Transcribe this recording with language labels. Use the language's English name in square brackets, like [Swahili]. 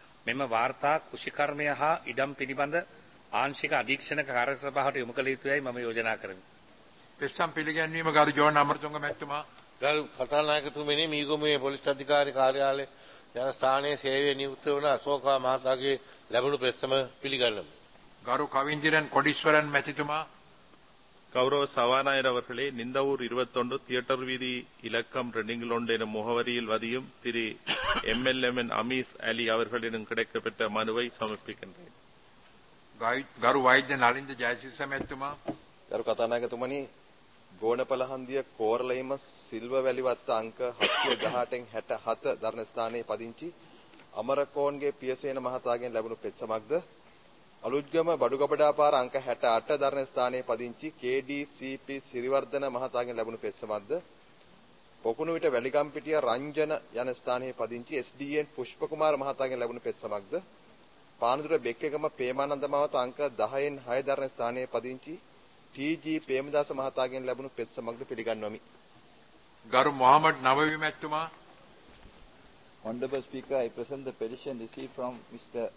[Sinhala] මෙම වාර්තා කෘෂිකර්මය හා ඉඩම් පිළිබඳ ආංශික අධීක්ෂණක කාර්ය සභාවට යොමු කළ යුතුයයි මම යෝජනා කරමි. පෙස්සම් පිළිගැන්වීම ගරු ජෝන් අමරතුංග මැතිතුමා. ගරු කථානායකතුමනි, මීගමුවේ පොලිස් අධිකාරී කාර්යාලයේ ජන ස්ථානයේ සේවයේ නියුක්ත වන අශෝක මහතාගේ ලැබුණු පෙස්සම පිළිගන්නමු. ගරු කවින්දිරන් කොඩිස්වරන් මැතිතුමා. [Tamil] ගෞරව සවානායර අவர்களே, நிந்தவூர் 21 தியேட்டர் வீதி இலக்கம் ரெண்டிங் லோண்டேன முகவரியில் வதியும் திரு எம்எல்எம்என் அமீஸ் அலி அவர்களிடம் கிடைக்கப்பெற்ற மனுவை சமர்ப்பிக்கின்றேன். [Sinhala] ගරු වෛද්‍ය නලින්ද ජයසිස මැතිතුමා. ගරු කථානායකතුමනි, ගෝණපලහන්දිය කෝරළයිම සිල්වවැලිවත්ත අංක 718/67 ධර්ණ ස්ථානයේ පදිංචි අමරකෝන්ගේ පියසේන මහතාගෙන් ලැබුණු පෙත්සමක්ද, අලුත්ගම බඩුගබඩා පාර අංක 68 ධර්ණ ස්ථානයේ පදිංචි KDCP සිරිවර්ධන මහතාගෙන් ලැබුණු පෙත්සමක්ද, පොකුණුවිට වැලිගම්පිටිය රංජන යන ස්ථානයේ පදිංචි SDN පුෂ්පකුමාර මහතාගෙන් ලැබුණු පෙත්සමක්ද, පානදුර බෙක්කගම පේමානන්ද මහත අංක 10/6 ධර්ණ ස්ථානයේ පදිංචි TG පේමදාස මහතාගෙන් ලැබුණු පෙත්සමක්ද පිළිගන්වමි. ගරු මොහමඩ් නවවි මැතිතුමා. [English] Honorable Speaker, I present the petition received from Mr.